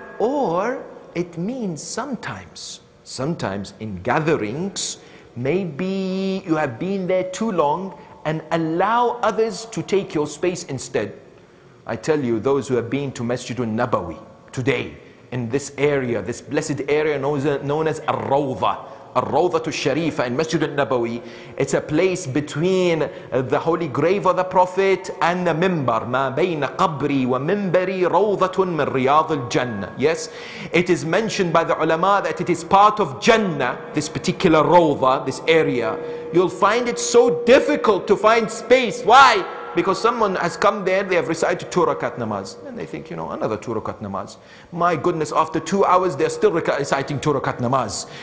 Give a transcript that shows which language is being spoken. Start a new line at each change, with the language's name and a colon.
English: Or it means sometimes in gatherings, maybe you have been there too long and allow others to take your space instead. I tell you, those who have been to Masjid al-Nabawi today, in this area, this blessed area known as Al-Rawdha, Al-Rawdha al-Sharifa in Masjid al-Nabawi, it's a place between the holy grave of the Prophet and the minbar.
Arabic: ما بين قبري ومنبري روضة من رياض الجنة.
English: Yes, it is mentioned by the ulama that it is part of Jannah, this particular Rawdha, this area. You'll find it so difficult to find space. Why? Because someone has come there, they have recited two rakat namaz. And they think, you know, another two rakat namaz. My goodness, after 2 hours, they're still reciting two rakat namaz.